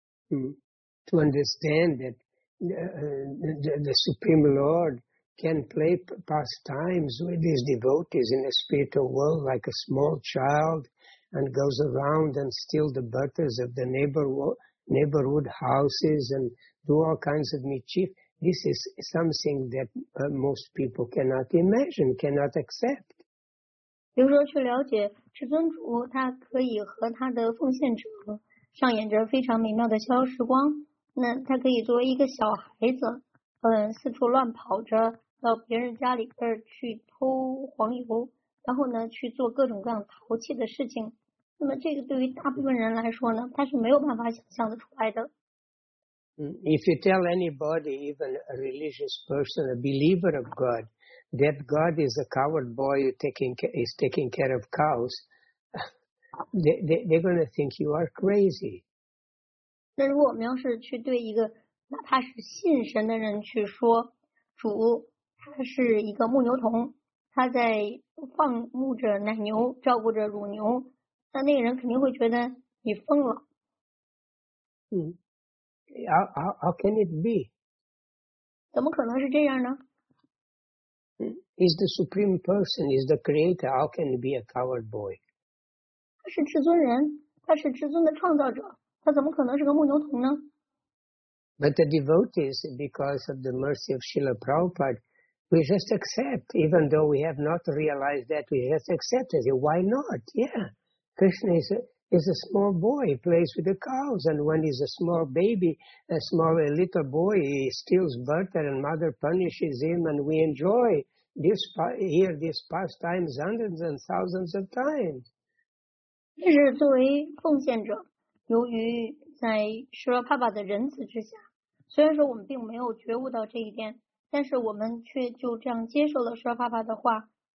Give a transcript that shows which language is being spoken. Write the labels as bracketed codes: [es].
[en] 嗯、to understand that the Supreme Lord can play pastimes with his devotees in a spiritual world like a small child and goes around and steals the butters of the neighborhood houses and do all kinds of mischief. This is something that most people cannot imagine, cannot accept. [zh] 比如说去了解至尊主，他可以和他的奉献者上演着非常美妙的逍遥时光。那他可以作为一个小孩子，四处乱跑着，到别人家里边去偷黄油，然后呢去做各种各样淘气的事情。那么这个对于大部分人来说呢，他是没有办法想象的出来的。 [en] If you tell anybody, even a religious person, a believer of God, that God is a coward boy who is taking care of cows, they're going to think you are crazy. [zh] 那如果我们要是去对一个哪怕是信神的人去说，主他是一个牧牛童，他在放牧着奶牛，照顾着乳牛，那那个人肯定会觉得你疯了。嗯。 [en] How can it be? [zh] 怎么可能是这样呢？ [en] Is the Supreme Person, is the Creator, how can he be a coward boy? [zh] 他是至尊人，他是至尊的创造者，他怎么可能是个牧牛童呢？ [en] But the devotees, because of the mercy of Srila Prabhupada, we just accept, even though we have not realized that, we just accept it. Why not? Yeah, Krishna is a small boy, he plays with the cows, and when he's a small baby, a little boy, he steals butter and mother punishes him, and we enjoy this, hear this pastimes hundreds and thousands of times. [zh] 这是作为奉献者，由于在舍勒帕巴的仁慈之下，虽然说我们并没有觉悟到这一点，但是我们却就这样接受了舍勒帕巴的话。